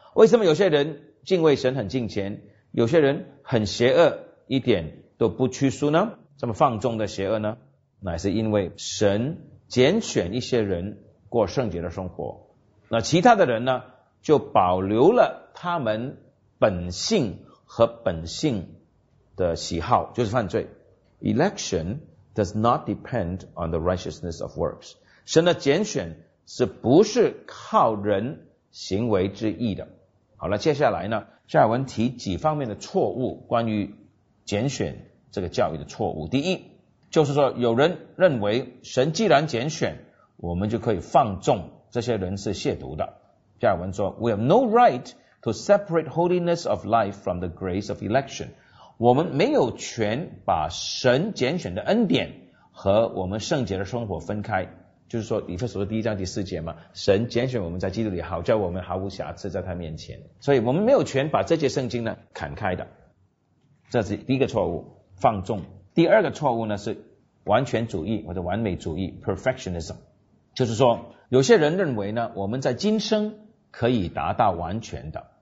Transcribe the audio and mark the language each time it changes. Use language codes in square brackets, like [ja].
[zh] 为什么有些人敬畏神很敬虔，有些人很邪恶，一点都不屈膝呢？这么放纵的邪恶呢？乃是因为神拣选一些人过圣洁的生活，那其他的人呢，就保留了他们本性和本性的喜好，就是犯罪。 [en] Election does not depend on the righteousness of works， [zh] 神的拣选是不是靠人行为之义的。好了，接下来呢，加尔文提几方面的错误，关于拣选这个教育的错误。第一，就是说有人认为神既然拣选我们，就可以放纵，这些人是亵渎的。加尔文说， [en] We have no right to separate holiness of life from the grace of election， [zh] 我们没有权把神拣选的恩典和我们圣洁的生活分开。就是说以弗所书第一章第四节嘛，神拣选我们在基督里，好叫我们毫无瑕疵在他面前，所以我们没有权把这些圣经呢砍开的。这是第一个错误，放纵。第二个错误呢，是完全主义或者完美主义 perfectionism， 就是说有些人认为呢，我们在今生可以达到完全的。